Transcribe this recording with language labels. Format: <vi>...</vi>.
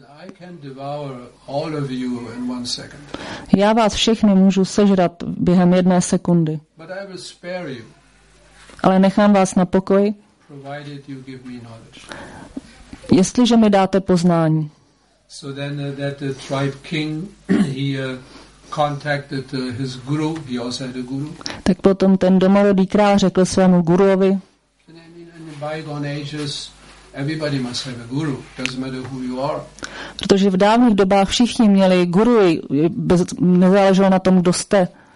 <en>I can devour all of you in one second.</en> <cs>Já vás všechny můžu sežrat během jedné sekundy.</cs> <en>But I will spare you.</en> <cs>Ale nechám vás na pokoji.</cs> <en>Provided you give me knowledge.</en> <cs>Jestliže mi dáte poznání.</cs> <en>So then that the tribe king he contacted his guru, he also had a guru.</en> <cs>Tak potom ten domorodý král řekl svému guruovi.</cs> <en>In the bygone ages everybody must have a guru, doesn't matter who you are.</en> <cs>Protože v dávných dobách všichni měli guru, nezáleželo na tom, kdo jste.</cs>